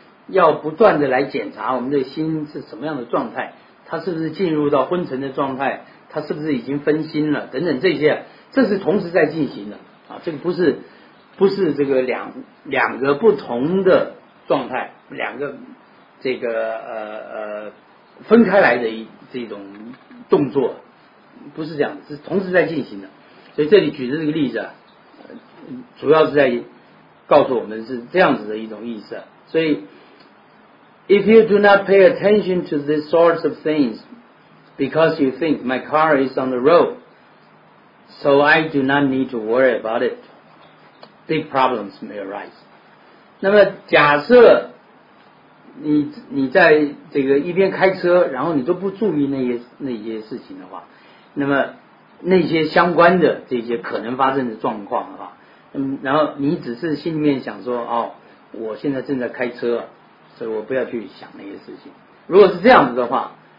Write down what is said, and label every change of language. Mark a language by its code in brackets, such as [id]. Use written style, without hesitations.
[zh] 要不断的来检查我们的心是什么样的状态，它是不是进入到昏沉的状态，它是不是已经分心了等等，这些这是同时在进行的啊，这个不是这个两个不同的状态，两个这个分开来的这种动作，不是这样，是同时在进行的。所以这里举的这个例子啊，主要是在告诉我们是这样子的一种意思。 [en] 所以 If you do not pay attention to these sorts of things because you think my car is on the road, so I do not need to worry about it, big problems may arise. [zh] 那么假设你在这个一边开车然后你都不注意那些事情的话，那么那些相关的这些可能发生的状况的话，然后你只是心里面想说哦，我现在正在开车，所以我不要去想那些事情，如果是这样子的话，